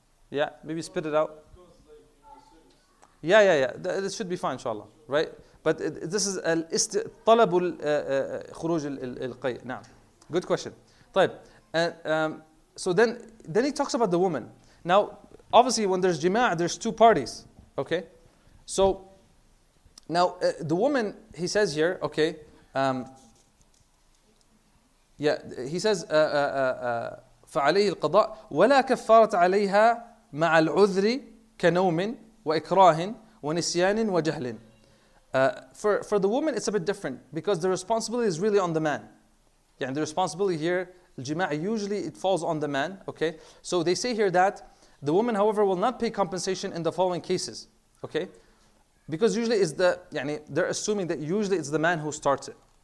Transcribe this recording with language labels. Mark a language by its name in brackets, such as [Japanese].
[English] Yeah, maybe spit it out. Yeah. This should be fine, inshallah. Right? But this is al [Arabic] طلب خروج القيء. [English] نعم. Good question. طيب. So then he talks about the woman. Now, obviously, when there's jima'ah, there's two parties. Okay? So, now, the woman, he says [Arabic] here, okay, he says, فَعَلَيْهِ الْقَضَاءِ وَلَا كَفَّارَتْ عَلَيْهَا مَعَ الْعُذْرِ كَنَوْمٍ وَإِكْرَاهٍ وَنِسْيَانٍ وَجَهْلٍ. [English] For the woman, it's a bit different because the responsibility is really on the man. Yeah, and the responsibility here, الجماعي, usually it falls on the man, okay? So they say here that the woman, however, will not pay compensation in the following cases, okay? Because usually it's the, they're assuming that usually it's the man who starts it.